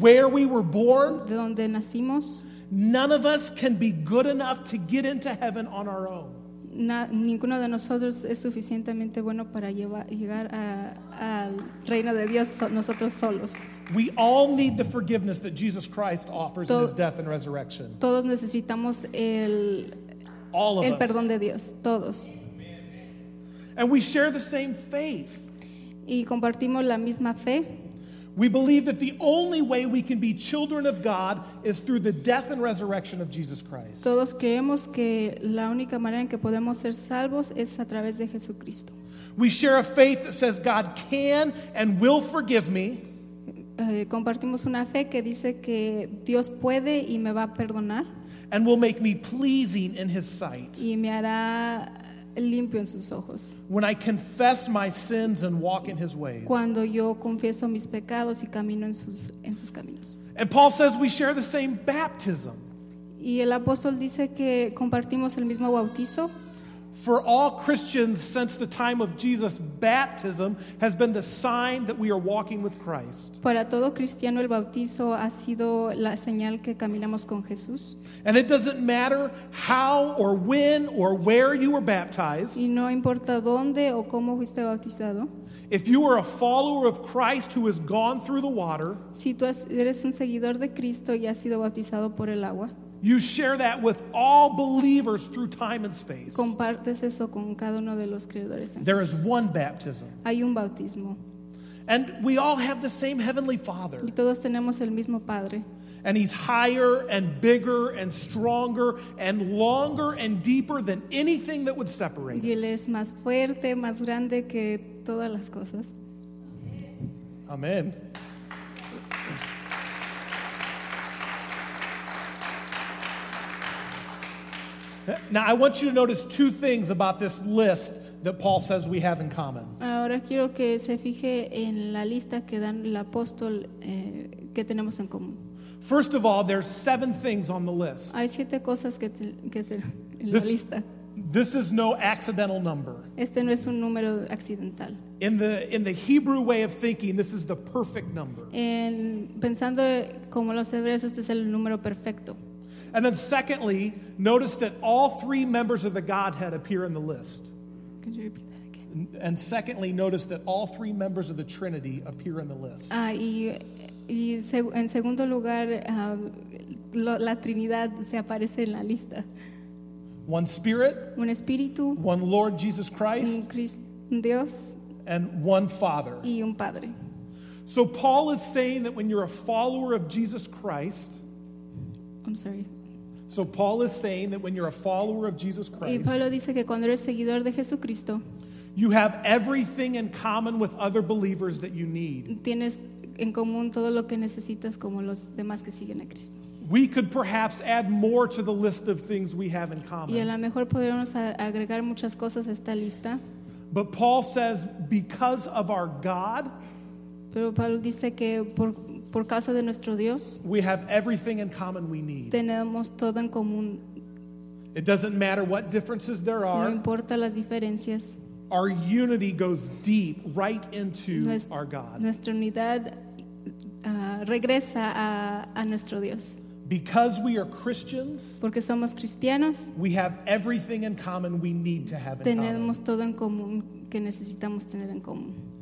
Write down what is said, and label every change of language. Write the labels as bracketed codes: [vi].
[en] Where we were born. [es] De donde nacimos. [en] None of us can be good enough to get into heaven on our own. [es] Ninguno de nosotros es suficientemente bueno para llegar al reino de Dios nosotros solos. [en] We all need the forgiveness that Jesus Christ offers in his death and resurrection. [es] Todos necesitamos el perdón de Dios, todos. [en] And we share the same faith. [es] Y compartimos la misma fe. [en] We believe that the only way we can be children of God is through the death and resurrection of Jesus Christ. [es] Todos creemos que la única manera en que podemos ser salvos es a través de Jesucristo. [en] We share a faith that says God can and will forgive me. [es] Compartimos una fe que dice que Dios puede y me va a perdonar. [en] And will make me pleasing in his sight. [es] Y me hará limpio en sus ojos. [en] When I confess my sins and walk in his ways. [es] Cuando yo confieso mis pecados y camino en sus caminos. [en] And Paul says we share the same baptism. [es] Y el apóstol dice que compartimos el mismo bautizo. [en] For all Christians since the time of Jesus, baptism has been the sign that we are walking with Christ. [es] Para todo cristiano, el bautizo ha sido la señal que caminamos con Jesús. [en] And it doesn't matter how or when or where you were baptized. [es] Y no importa dónde o cómo fuiste bautizado. [en] If you are a follower of Christ who has gone through the water. [es] Si tú eres un seguidor de Cristo y has sido bautizado por el agua. [en] You share that with all believers through time and space. [es] Compartes eso con cada uno de los creedores. [en] There is one baptism. [es] Hay un bautismo. [en] And we all have the same Heavenly Father. [es] Y todos tenemos el mismo Padre. [en] And he's higher and bigger and stronger and longer and deeper than anything that would separate us. [es] Y él es más fuerte, más grande que todas las cosas. [en] Amen. Now I want you to notice two things about this list that Paul says we have in common. [es] Ahora quiero que se fije en la lista que dan el apóstol que tenemos en común. [en] First of all, there's seven things on the list. [es] Hay siete cosas que en la lista. [en] This is no accidental number. [es] Este no es un número accidental. [en] In the Hebrew way of thinking, this is the perfect number. [es] En pensando como los hebreos, este es el número perfecto. [en] And then secondly, notice that all three members of the Godhead appear in the list. Could you repeat that again? And secondly, notice that all three members of the Trinity appear in the list. [es] En segundo lugar, la Trinidad se aparece en la lista. [en] One Spirit. [es] Un espíritu. [en] One Lord Jesus Christ. [es] Un Dios. [en] And one Father. [es] Y un padre. [en] So Paul is saying that when you're a follower of Jesus Christ. I'm sorry. So Paul is saying that when you're a follower of Jesus Christ. [es] Y Pablo dice que cuando eres seguidor de Jesucristo. [en] You have everything in common with other believers that you need. [es] Tienes en común todo lo que necesitas como los demás que siguen a Cristo. [en] We could perhaps add more to the list of things we have in common. [es] Y a lo mejor podríamos agregar muchas cosas a esta lista. [en] But Paul says, because of our God, [es] pero Pablo dice que por causa de nuestro Dios, [en] we have everything in common we need. [es] Tenemos todo en común. [en] It doesn't matter what differences there are. [es] No importa las diferencias. [en] Our unity goes deep right into our God. [es] Nuestra unidad regresa a nuestro Dios. [en] Because we are Christians, [es] porque somos cristianos, [en] we have everything in common we need to have in [es] tenemos [en] common. [es] Tenemos todo en común que necesitamos tener en común.